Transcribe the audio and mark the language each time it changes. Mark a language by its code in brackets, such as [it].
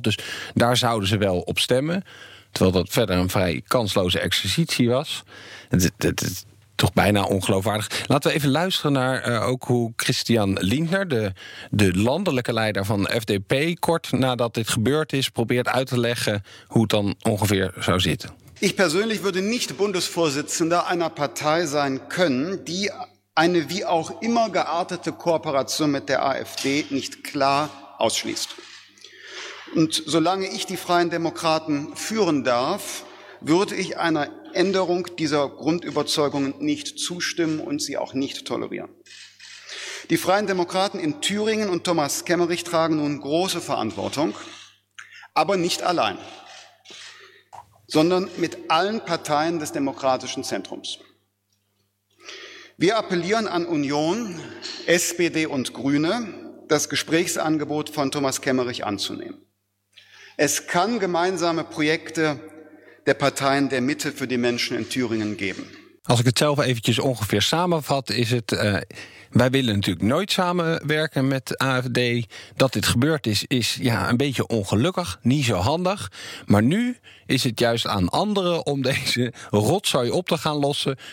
[nl] Dus daar zouden ze wel op stemmen. Terwijl dat verder een vrij kansloze exercitie was. Het is toch bijna ongeloofwaardig. Laten we even luisteren naar ook hoe Christian Lindner, de landelijke leider van FDP, kort nadat dit gebeurd is, probeert uit te leggen hoe het dan ongeveer zou zitten. [de] Ik persoonlijk würde niet Bundesvorsitzender einer Partei sein können, die eine wie auch immer geartete Kooperation mit der AfD nicht klar ausschließt. Und solange ich die Freien Demokraten führen darf, würde ich einer Änderung dieser Grundüberzeugungen nicht zustimmen und sie auch nicht tolerieren. Die Freien Demokraten in Thüringen und Thomas Kemmerich tragen nun große Verantwortung, aber nicht allein, sondern mit allen Parteien des demokratischen Zentrums. Wir appellieren an Union, SPD und Grüne, das Gesprächsangebot von Thomas Kemmerich anzunehmen. Es kann gemeinsame Projekte der Parteien der Mitte für die Menschen in Thüringen geben. [nl] Als ik het zelf eventjes ongeveer samenvat, is het... wij willen natuurlijk nooit samenwerken met AfD. Dat dit gebeurd is, is een beetje ongelukkig, niet zo handig. Maar nu is het juist aan anderen om deze rotzooi op te gaan lossen.